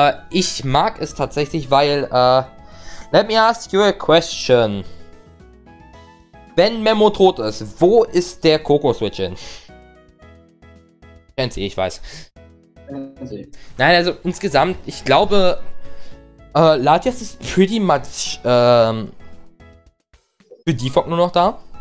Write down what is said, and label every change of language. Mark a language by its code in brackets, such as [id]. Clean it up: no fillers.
[de] Ich mag es tatsächlich, weil. [en] Let me ask you a question. [de] Wenn Memo tot ist, wo ist der Coco-Switch hin? Fancy, ich weiß. Nein, also insgesamt, ich glaube, Latias ist [en] pretty much [de] für Defog nur noch da.